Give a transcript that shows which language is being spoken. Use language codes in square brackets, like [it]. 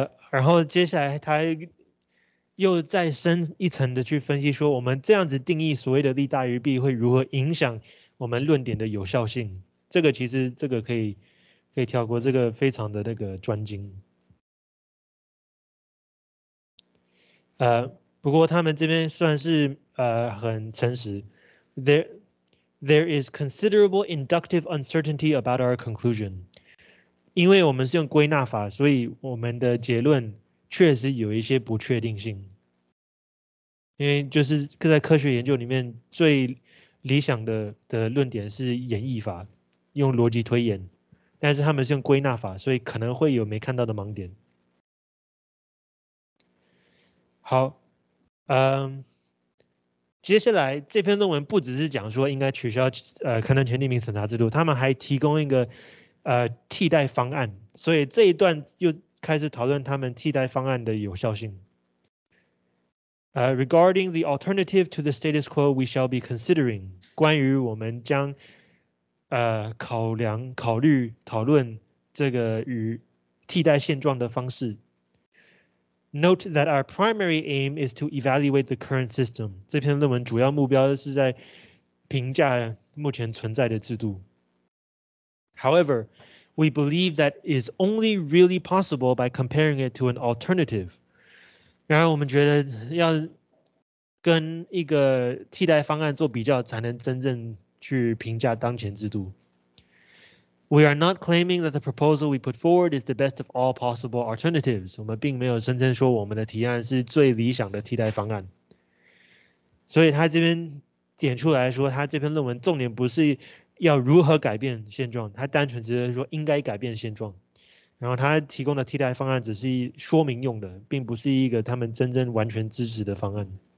[zh] 然后接下来他又再深一层的去分析说，我们这样子定义所谓的利大于弊会如何影响我们论点的有效性。这个其实这个可以跳过，这个非常的那个专精。不过他们这边算是很诚实。 [en] There is considerable inductive uncertainty about our conclusion. [zh] 因为我们是用归纳法，所以我们的结论确实有一些不确定性，因为就是在科学研究里面最理想的论点是演绎法，用逻辑推演，但是他们是用归纳法，所以可能会有没看到的盲点。好，接下来这篇论文不只是讲说应该取消刊登前匿名审查制度，他们还提供一个替代方案，所以这一段又开始讨论他们替代方案的有效性。 [en] Regarding the alternative to the status quo we shall be considering, [zh] 关于我们将考量、考虑、讨论这个与替代现状的方式。 [en] Note that our primary aim is to evaluate the current system. [zh] 这篇论文主要目标是在评价目前存在的制度。 [en] However,We believe that is only really possible by comparing it to an alternative. [zh] 然而我们觉得要跟一个替代方案做比较才能真正去评价当前制度。 [en] We are not claiming that the proposal we put forward is the best of all possible alternatives. [zh] 我们并没有声称说我们的提案是最理想的替代方案。所以他这边点出来说，他这篇论文重点不是要如何改变现状，他单纯只是说应该改变现状，然后他提供的替代方案只是说明用的，并不是一个他们真正完全支持的方案。